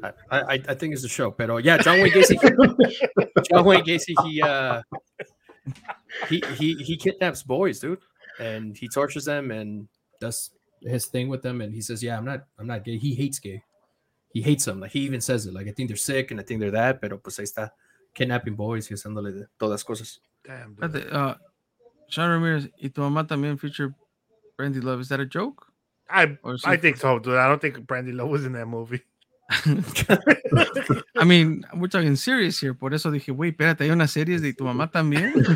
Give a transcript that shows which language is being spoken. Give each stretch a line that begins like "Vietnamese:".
English: I think it's the show,
Spanish: pero
English: yeah, John Wayne Gacy. John Wayne Gacy. He kidnaps boys, dude, and he tortures them and does his thing with them. And he says, "Yeah, I'm not gay." He hates gay. He hates them. Like he even says it. Like I think they're sick, and I think they're that.
Spanish: Pero pues ahí está,
English: kidnapping boys,
Spanish: y haciéndole todas cosas.
English: Damn, dude. Sean Ramirez, y tu mamá también feature Brandy Love. Is that a joke? I think so, dude. I don't think Brandy Love was in that movie. I mean, we're talking serious here.
Spanish: Por eso dije,
English: wait,
Spanish: espérate, hay una serie de tu mamá también?